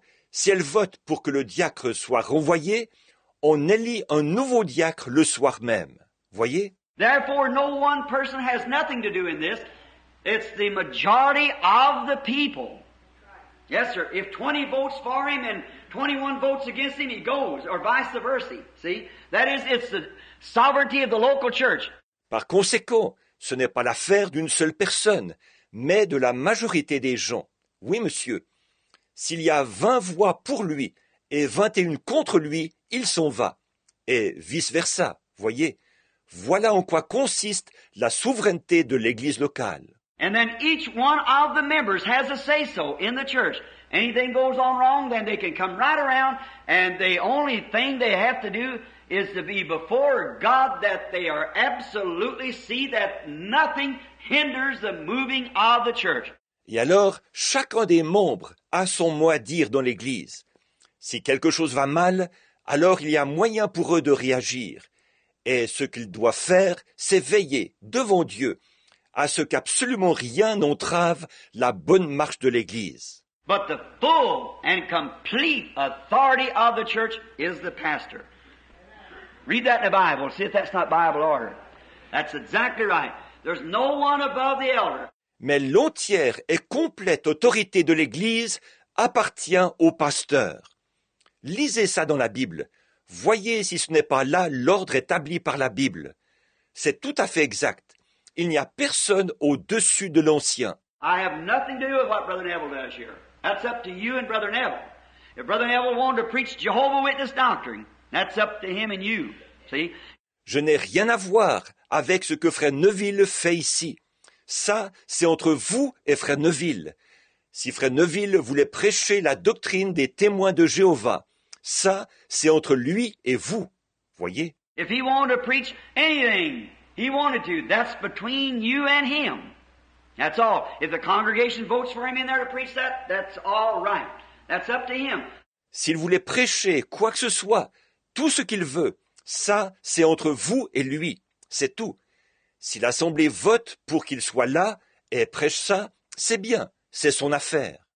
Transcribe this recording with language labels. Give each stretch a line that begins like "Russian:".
French: Si elle vote pour que le diacre soit renvoyé, on élit un nouveau diacre le soir même. Voyez?
English: Therefore, no one person has nothing to do in this. It's the majority of the people. Yes, sir. If 20 votes for him and 21 votes against him, he goes, or vice versa. See? That is, it's the sovereignty of the local church.
French: Par conséquent, ce n'est pas l'affaire d'une seule personne, mais de la majorité des gens. Oui, monsieur. S'il y a 20 voix pour lui et 21 contre lui, il s'en va. Et vice-versa, voyez. Voilà en quoi consiste la souveraineté de l'Église locale.
English: And then each one of the members has a say-so in the church. Anything goes on wrong, then they can come right around, and the only thing they have to do is to be before God, that they are absolutely see that nothing hinders the moving of the church.
French: Et alors, chacun des membres a son mot à dire dans l'Église. Si quelque chose va mal, alors il y a moyen pour eux de réagir. Et ce qu'ils doivent faire, c'est veiller devant Dieu à ce qu'absolument rien n'entrave la bonne marche de l'Église.
English: But the full and complete authority of the church is the pastor. Read that in the Bible. See if that's not Bible order. That's exactly right. There's no one above the elder.
French: Mais l'entière et complète autorité de l'Église appartient au pasteur. Lisez ça dans la Bible. Voyez si ce n'est pas là l'ordre établi par la Bible. C'est tout à fait exact. Il n'y a personne au-dessus de l'ancien.
English: I have nothing to do with what Brother Neville does here. That's up to you and Brother Neville. If Brother Neville wanted to preach Jehovah's Witness doctrine, that's up to him and you. See?
French: Je n'ai rien à voir avec ce que Frère Neville fait ici. Ça, c'est entre vous et Frère Neville. Si Frère Neville voulait prêcher la doctrine des témoins de Jéhovah, ça, c'est entre lui et vous. Voyez?
English: If he wanted to preach anything he wanted to, that's between you and him. That's all. If the congregation votes for him in there to preach that, that's all right. That's up to him.
French: S'il voulait prêcher quoi que ce soit, tout ce qu'il veut, ça, c'est entre vous et lui. C'est tout. Si l'Assemblée vote pour qu'il soit là et prêche ça, c'est bien, c'est son affaire.